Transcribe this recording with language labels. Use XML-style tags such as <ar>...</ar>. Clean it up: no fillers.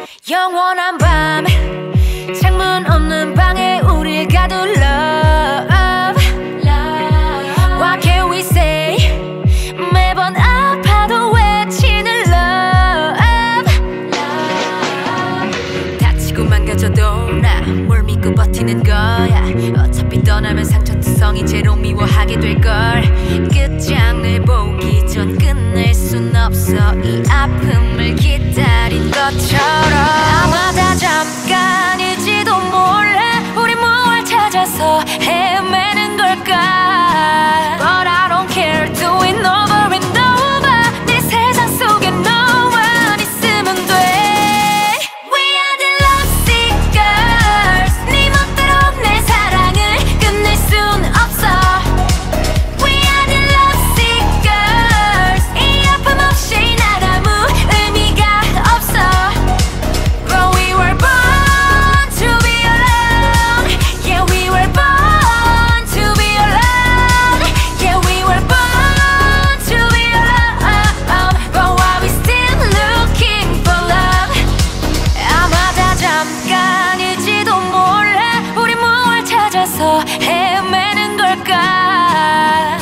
<ko>영원한 밤 창문 없는 방에 우리 가둘</ko> <en>love, love. Why can't we say</en> <ko>매번 아파도 외치는</ko> <en>love, love.</en> <ko>다치고 망가져도 나 뭘 믿고 버티는 거야. 어차피 떠나면 상처투성이 제로 미워하게 될걸. 끝장을 보기 전 끝낼 순 없어. 이 아픔을 기다린 것처럼 아마 다 잠깐일지도 몰라. 우리 뭘 찾아서 헤매는 걸까.</ko> <en>But I don't care, do it over and over.</en> <ko>네 세상 속에 너만 있으면 돼.</ko> <en>We are the lovesick girls.</en> <ko>네 멋대로 내 사랑을 끝낼 순 없어.</ko> <en>We are the lovesick girls.</en> <ko>이 아픔 없이 난 아무 의미가 없어.</ko> <en>But we were born to be alone. Yeah, we were born to be alone. Yeah, we were born to be alone. But why we still looking for love?</en> <ko>아마 다 잠깐일지도 몰라. 우리 뭘 찾아서 헤매는 걸까.</ko>